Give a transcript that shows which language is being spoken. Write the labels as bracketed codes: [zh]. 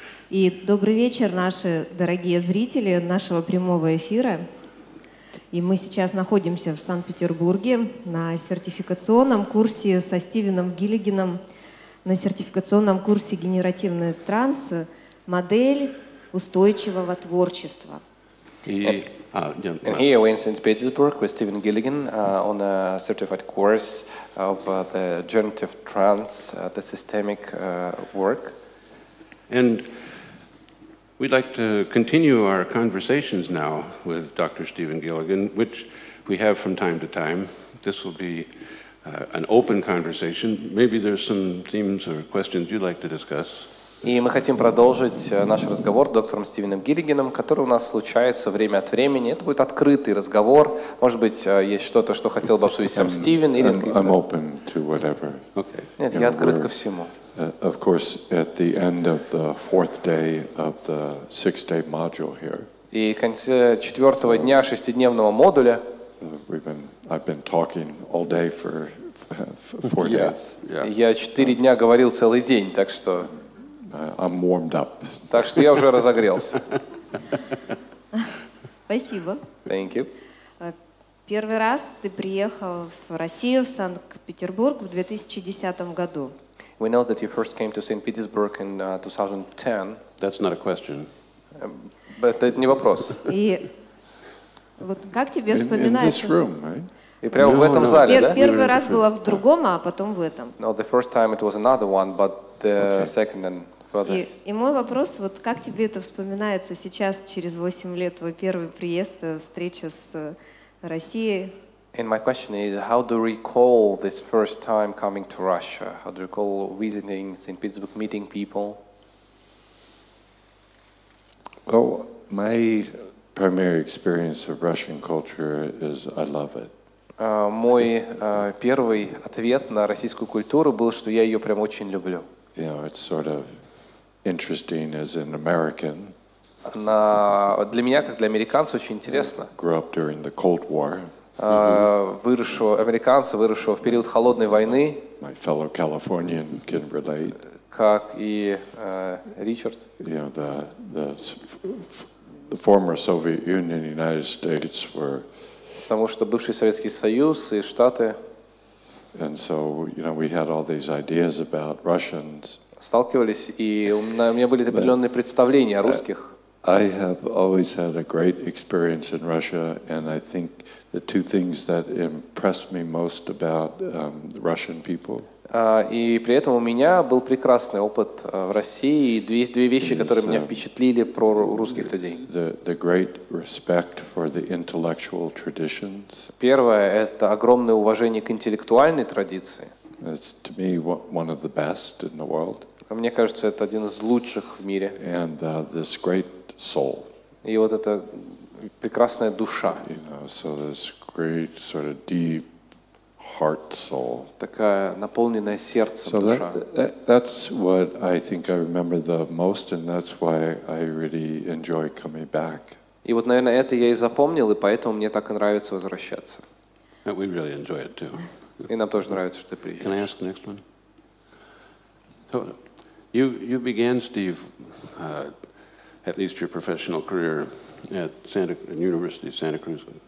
[ru] И добрый вечер, наши дорогие зрители нашего прямого эфира. И мы сейчас находимся в Санкт-Петербурге на сертификационном курсе со Стивеном Гиллигином, на сертификационном курсе «Генеративный транс. Модель устойчивого творчества». [en] And here we're in St. Petersburg with Stephen Gilligan on a certified course of the generative trance, the systemic work. And we'd like to continue our conversations now with Dr. Stephen Gilligan, which we have from time to time. This will be an open conversation. Maybe there's some themes or questions you'd like to discuss. [ru] И мы хотим продолжить наш разговор с доктором Стивеном Гиллигином, который у нас случается время от времени. Это будет открытый разговор. Может быть, есть что-то, что хотел бы обсудить сам Стивен или [en] I'm open to whatever. Okay. [ru] Нет, [en] you [ru] я [en] know, [ru] открыт ко всему. [en] Of course, at the end of the fourth day of the six-day module here. [ru] И в конце четвертого дня шестидневного модуля. [en] I've been talking all day for days. Yes. [ru] Я четыре дня говорил целый день, так что. [en] I'm warmed up. [ru] Так что я уже разогрелся. Спасибо. [en] Thank you. [ru] Первый раз ты приехал в Россию, в Санкт-Петербург в 2010 году. [en] We know that you first came to St. Petersburg in 2010. That's not a question. But [ru] это не вопрос. И вот как тебе вспоминается? [en] In this room, right? [ru] И прямо в этом зале, да? Первый раз было в другом, а потом в этом. [en] No, the first time it was another one, but the second and further. [ru] И мой вопрос, вот как тебе это вспоминается сейчас, через 8 лет, твой первый приезд, встреча с Россией? [en] And my question is, how do you recall this first time coming to Russia? How do you recall visiting St. Petersburg, meeting people? Well, my primary experience of Russian culture is I love it. [ru] Мой первый ответ на российскую культуру был, что я ее прям очень люблю. [en] You know, it's sort of interesting as an American. [ru] На для меня как для американца очень интересно. [en] Grew up during the Cold War. [ru] Выросшего американца, выросшего в период холодной войны. [en] My fellow Californian can relate. [ru] Как и Ричард. [en] You know, the former Soviet Union, United States were. [ru] Потому что бывший Советский Союз и Штаты. [en] And so, you know, we had all these ideas about Russians. [ru] Сталкивались, и у меня были определенные представления о русских. [en] I have always had a great experience in Russia, and I think the two things that impressed me most about the Russian people. [ru] И при этом у меня был прекрасный опыт в России, и две вещи, которые меня впечатлили про русских людей. [en] The great respect for the intellectual traditions. [ru] Первое – это огромное уважение к интеллектуальной традиции. [en] It's to me one of the best in the world. [ru] Мне кажется, это один из лучших в мире. [en] And this great soul. [ru] И вот эта прекрасная душа. [en] You know, so this great sort of deep heart soul. [ru] Такая наполненная сердцем душа. [en] So that's what I think I remember the most, and that's why I really enjoy coming back. [ru] И вот, наверное, это я и запомнил, и поэтому мне так и нравится возвращаться. [en] And we really enjoy it too. [ru] И нам тоже нравится, что ты приезжаешь. [en] Can I ask the next one? So, you began, Steve, at least your professional career at University of Santa Cruz.